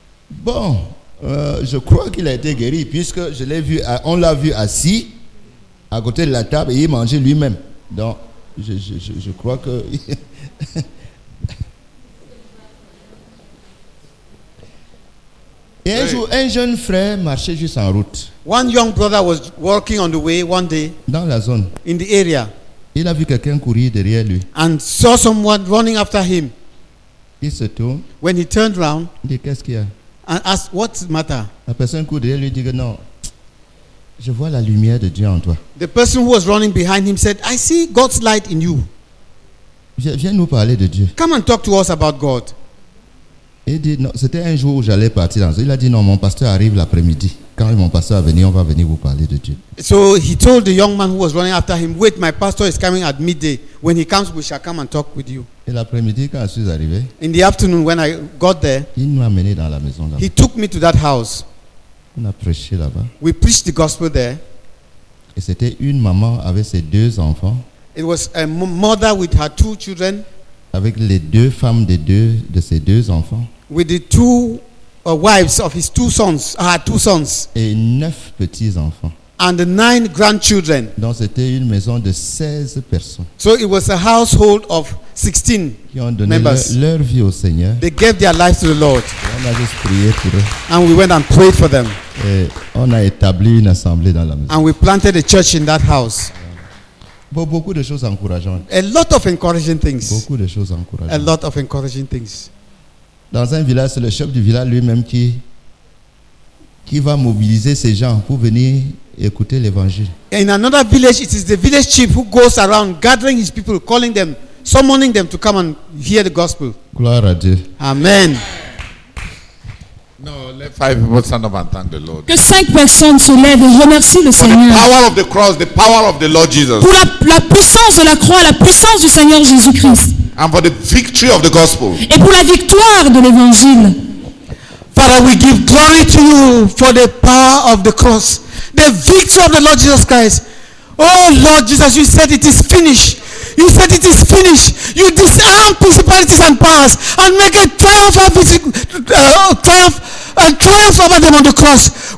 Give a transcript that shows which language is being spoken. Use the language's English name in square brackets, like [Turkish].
[French] Bon, je crois qu'il a été guéri puisque je l'ai vu, on l'a vu assis à côté de la table et il mangeait lui-même. Donc, je crois que... Et un jour, un jeune frère marchait juste en route. [English] One young brother was walking on the way one day. [French] Dans la zone. [English] In the area. [French] Il a vu quelqu'un courir derrière lui. [English] And saw someone running after him. [French] Il se tourne. [English] When he turned round. [French] Il dit, qu'est-ce qu'il y a? [English] And asked, what's the matter? [French] La personne court derrière lui dit, non, je vois la lumière de Dieu en toi. [English] The person who was running behind him said, I see God's light in you. [French] Viens nous parler de Dieu. [English] Come and talk to us about God. [French] Il dit, non, c'était un jour où j'allais partir dans. Il a dit, non, mon pasteur arrive l'après-midi. Quand mon pasteur va venir, on va venir vous parler de Dieu. [English] So he told the young man who was running after him, wait, my pastor is coming at midday. When he comes, we shall come and talk with you. [French] Et l'après-midi, quand je suis arrivé, [English] in the afternoon, when I got there, [French] il m'a amené dans la maison là-bas. [English] He took me to that house. [French] On a prêché là-bas. [English] We preached the gospel there. [French] Et c'était une maman avec ses deux enfants. [English] It was a mother with her two children. [French] Avec les deux femmes de ses deux enfants. [English] With the two wives of his two sons, her two sons. [French] Et neuf petits enfants. [English] And the nine grandchildren. [French] Donc c'était une maison de 16 personnes. [English] So it was a household of 16 members. [French] Qui ont donné leur vie au Seigneur. [English] They gave their lives to the Lord. [French] Et on a juste prié pour eux. [English] And we went and prayed for them. [French] Et on a établi une assemblée dans la maison. [English] And we planted a church in that house. [French] Beaucoup de choses encourageantes. [English] A lot of encouraging things. [French] Beaucoup de choses encourageantes. [English] A lot of encouraging things. [French] Dans un village, c'est le chef du village lui-même qui va mobiliser ses gens pour venir écouter l'évangile. [English] In another village, it is the village chief who goes around gathering his people, calling them, summoning them to come and hear the gospel. [French] Gloire à Dieu. Amen. [English] No, let five people stand up and thank the Lord. [French] Que cinq personnes se lèvent et remercient le Seigneur. [English] The power of the cross, the power of the Lord Jesus. [French] Pour la puissance de la croix, la puissance du Seigneur Jésus-Christ. [English] And for the victory of the gospel. [French] Et pour la victoire de l'évangile. [English] Father, we give glory to you for the power of the cross, the victory of the Lord Jesus Christ. Oh Lord Jesus, you said it is finished. You said it is finished. You disarm principalities and powers and make a triumph over them on the cross.